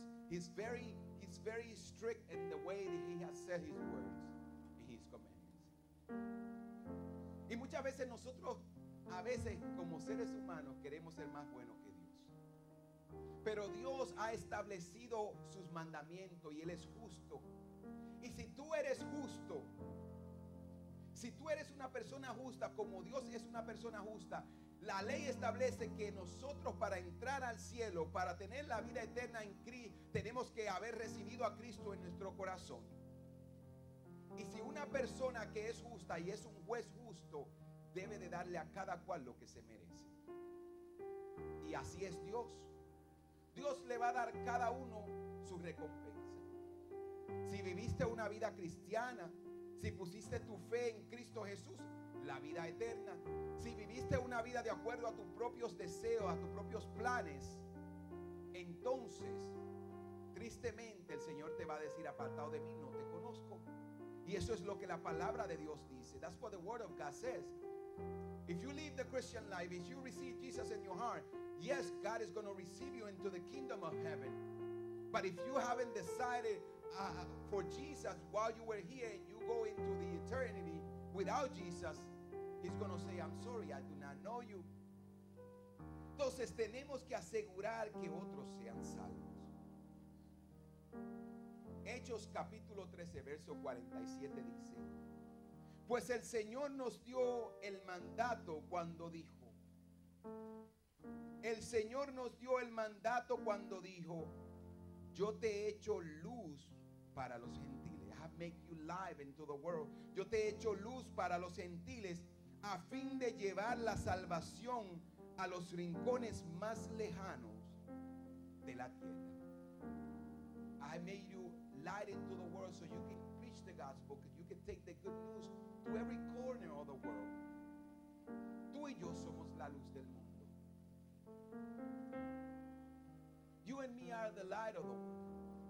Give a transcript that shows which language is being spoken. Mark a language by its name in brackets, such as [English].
[English] He's very strict in the way that he has said his words and his commandments. [Spanish] Y muchas veces nosotros, a veces como seres humanos, queremos ser más buenos que Dios. Pero Dios ha establecido sus mandamientos y Él es justo. Y si tú eres justo, si tú eres una persona justa, como Dios es una persona justa, la ley establece que nosotros, para entrar al cielo, para tener la vida eterna en Cristo, tenemos que haber recibido a Cristo en nuestro corazón. Y si una persona que es justa y es un juez justo, debe de darle a cada cual lo que se merece. Y así es Dios. Dios le va a dar a cada uno su recompensa. Si viviste una vida cristiana, si pusiste tu fe en Cristo Jesús, la vida eterna. Si viviste una vida de acuerdo a tus propios deseos, a tus propios planes, entonces, tristemente, el Señor te va a decir: apartado de mí, no te conozco. Y eso es lo que la palabra de Dios dice. [English] That's what the word of God says. If you live the Christian life, if you receive Jesus in your heart, yes, God is going to receive you into the kingdom of heaven. But if you haven't decided for Jesus while you were here and you go into the eternity without Jesus, he's going to say, I'm sorry, I do not know you. [Spanish] Entonces tenemos que asegurar que otros sean salvos. Hechos capítulo 13, verso 47 dice: pues el Señor nos dio el mandato cuando dijo, yo te he hecho luz para los gentiles. [English] I have made you light into the world. [Spanish] Yo te he hecho luz para los gentiles, a fin de llevar la salvación a los rincones más lejanos de la tierra. [English] I made you light into the world so you can preach the gospel, you can take the good news to every corner of the world. [Spanish] Tú y yo somos la luz del mundo. [English] You and me are the light of the world.